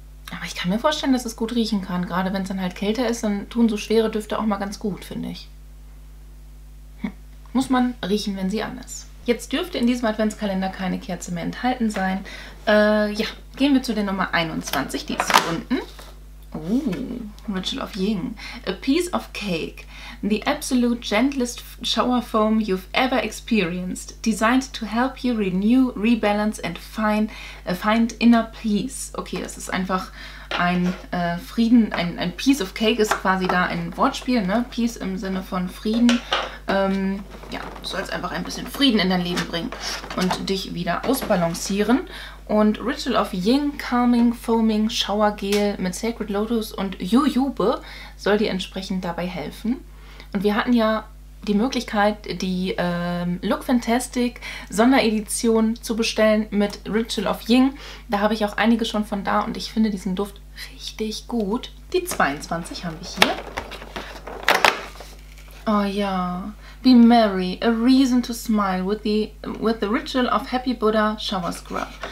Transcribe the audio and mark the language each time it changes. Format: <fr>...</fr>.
<de>Aber ich kann mir vorstellen, dass es gut riechen kann. Gerade wenn es dann halt kälter ist, dann tun so schwere Düfte auch mal ganz gut, finde ich. Muss man riechen, wenn sie an ist. Jetzt dürfte in diesem Adventskalender keine Kerze mehr enthalten sein. Ja, gehen wir zu der Nummer 21, die ist hier unten.</de> <en>Ritual of Ying. A piece of cake. The absolute gentlest shower foam you've ever experienced. Designed to help you renew, rebalance and find inner peace.</en> <de>Okay, das ist einfach ein Frieden, ein</de> <en>piece of cake</en> <de>ist quasi da ein Wortspiel, ne? Peace im Sinne von Frieden. Ja, du sollst einfach ein bisschen Frieden in dein Leben bringen und dich wieder ausbalancieren. Und Ritual of Ying Calming Foaming Shower Gel mit Sacred Lotus und Jujube soll dir entsprechend dabei helfen. Und wir hatten ja die Möglichkeit, die Look Fantastic Sonderedition zu bestellen mit Ritual of Ying. Da habe ich auch einige schon von da und ich finde diesen Duft richtig gut. Die 22 haben wir hier. Oh ja,</de> <en>be merry, a reason to smile with the Ritual of Happy Buddha Shower Scrub.</en>